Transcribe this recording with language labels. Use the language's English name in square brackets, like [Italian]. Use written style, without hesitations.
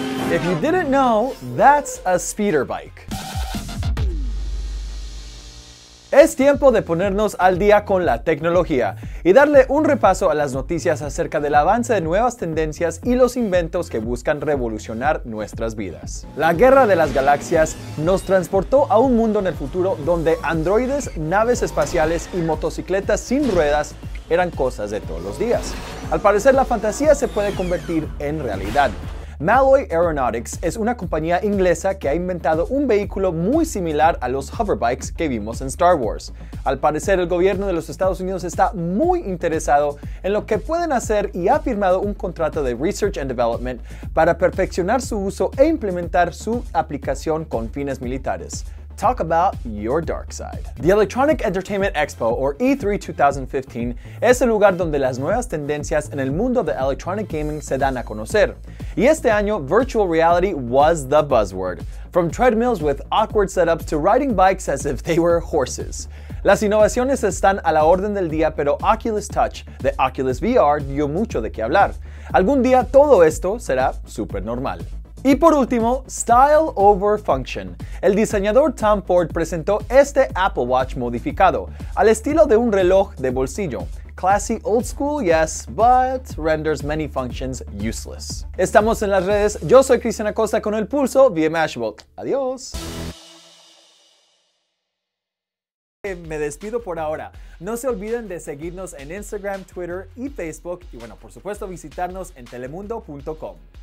[English] If you didn't know, that's a speeder bike. [Spanish] Es tiempo de ponernos al día con la tecnología y darle un repaso a las noticias acerca del avance de nuevas tendencias y los inventos que buscan revolucionar nuestras vidas. La Guerra de las Galaxias nos transportó a un mundo en el futuro donde androides, naves espaciales y motocicletas sin ruedas eran cosas de todos los días. Al parecer, la fantasía se puede convertir en realidad. Malloy Aeronautics es una compañía inglesa que ha inventado un vehículo muy similar a los hoverbikes que vimos en Star Wars. Al parecer, el gobierno de los Estados Unidos está muy interesado en lo que pueden hacer y ha firmado un contrato de Research and Development para perfeccionar su uso e implementar su aplicación con fines militares. [English] Talk about your dark side. [Spanish] The Electronic Entertainment Expo, or E3 2015, es el lugar donde las nuevas tendencias en el mundo de electronic gaming se dan a conocer. Y este año, [English] virtual reality was the buzzword. From treadmills with awkward setups to riding bikes as if they were horses. [Spanish] Las innovaciones están a la orden del día, pero Oculus Touch, de Oculus VR, dio mucho de qué hablar. Algún día todo esto será súper normal. Y por último, Style Over Function. El diseñador Tom Ford presentó este Apple Watch modificado, al estilo de un reloj de bolsillo. [English] Classy old school, yes, but renders many functions useless. [Spanish] Estamos en las redes. Yo soy Cristian Acosta con El Pulso, via Mashable. Adiós. Me despido por ahora. No se olviden de seguirnos en Instagram, Twitter y Facebook. Y bueno, por supuesto, visitarnos en telemundo.com.